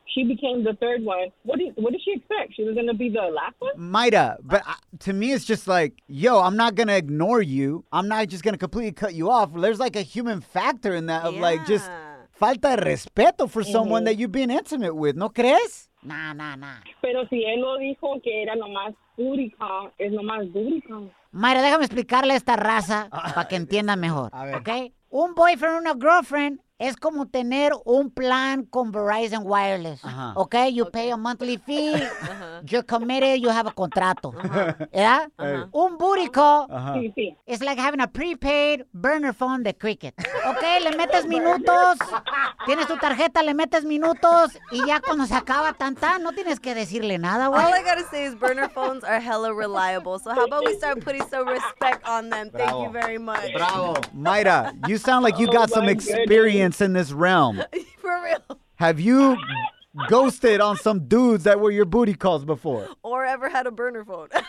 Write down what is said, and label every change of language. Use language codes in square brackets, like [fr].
[en] She became the third one. What did she expect? She was going to be the last one? Mayra, but to me, it's just like, yo, I'm not going to ignore you. I'm not just going to completely cut you off. There's like a human factor in that of like just [es] falta de respeto [en] for someone that you've been intimate with. [es] ¿No crees? [en] Nah. [es] Pero si él lo dijo que era nomás booty call, es nomás booty call. Mayra, déjame explicarle a esta raza para que entienda mejor. A ver. Okay? Un [en] boyfriend and a girlfriend... [es] Es como tener un plan con Verizon Wireless. Uh-huh. [en] Okay? You pay a monthly fee. Uh-huh. You're committed. You have a contrato. Uh-huh. Yeah? Uh-huh. [es] Un booty call. Uh-huh. [en] It's like having a prepaid burner phone de Cricket. [es] Okay? Le metes minutos. Tienes tu tarjeta. Le metes minutos. Y ya cuando se acaba no tienes que decirle nada, güey. [en] All I gotta say is burner phones are hella reliable. So how about we start putting some respect on them? Bravo. Thank you very much. Bravo. Mayra, you sound like you got some experience. In this realm. For real. Have you ghosted on some dudes that were your booty calls before? Or ever had a burner phone?